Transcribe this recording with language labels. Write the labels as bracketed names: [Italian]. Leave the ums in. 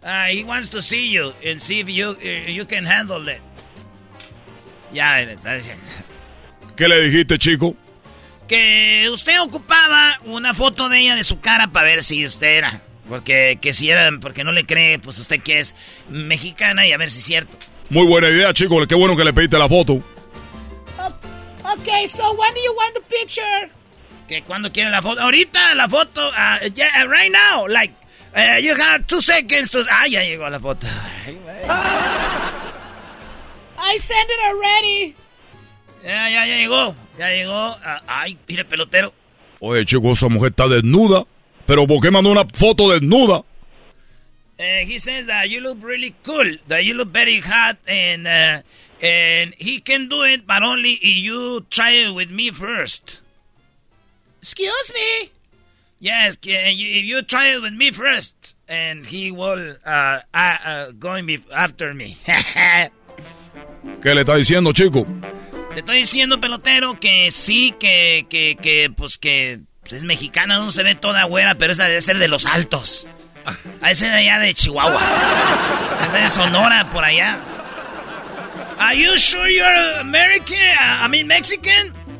[English] he wants to see you and see if you, you can handle it. Ya, yeah, [Spanish] ¿Qué le dijiste, chico? que usted ocupaba una foto de ella de su cara para ver si usted era. Porque que si era, porque no le cree, pues usted que es mexicana y a ver si es cierto. Muy buena idea, chicos. Qué bueno que le pediste la foto. Uh, [English] ok, so when do you want the picture? [Spanish] Que cuando quiere la foto. Ahorita la foto. Uh, [English] yeah, right now. Like, uh, you have two seconds. To... Ah, [Spanish] ya llegó la foto. [English] I sent it already. ya, yeah, yeah, [Spanish] ya llegó. Ya llegó. Uh, ay, mire, pelotero. Oye, chico, esa mujer está desnuda. Pero ¿por qué mandó una foto desnuda? [English] Uh, he says that you look really cool. That you look very hot. And, uh, and he can do it, but only if you try it with me first. Excuse me. Yes, can you, if you try it with me first. And he will uh, uh, go after me. [Spanish] ¿Qué le está diciendo, chico? Te estoy diciendo, pelotero, que sí, que, que, que, pues que es mexicana, no se ve toda güera, pero esa debe ser de los altos. A ese de allá de Chihuahua. A esa de Sonora, por allá. [English] Are you sure you're American? I mean Mexican?